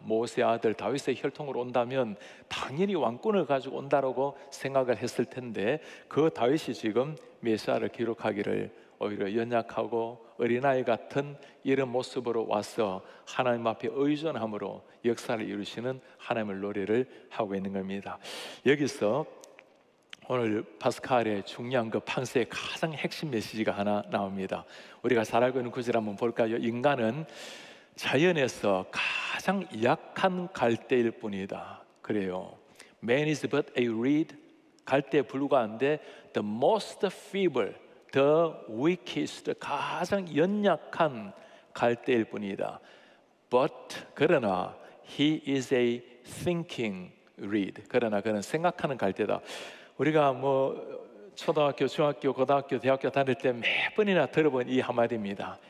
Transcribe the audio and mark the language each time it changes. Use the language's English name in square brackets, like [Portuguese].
[Korean] 모세의 아들 다윗의 혈통으로 온다면 당연히 왕권을 가지고 온다라고 생각을 했을 텐데, 그 다윗이 지금 메시아를 기록하기를 오히려 연약하고 어린아이 같은 이런 모습으로 와서 하나님 앞에 의존함으로 역사를 이루시는 하나님의 노래를 하고 있는 겁니다. 여기서 오늘 파스칼의 중요한 그 판세의 가장 핵심 메시지가 하나 나옵니다. 우리가 잘 알고 있는 구절 한번 볼까요? 인간은 자연에서 가장 약한 갈대일 뿐이다. 그래요. [English] Man is but a reed, [Korean] 갈대에 불과한데 [English] the most feeble, the weakest, [Korean] 가장 연약한 갈대일 뿐이다. [English] But, [Korean] 그러나 [English] he is a thinking reed, [Korean] 그러나 그는 생각하는 갈대다. 우리가 뭐 초등학교, 중학교, 고등학교, 대학교 다닐 때 매번이나 들어본 이 한마디입니다.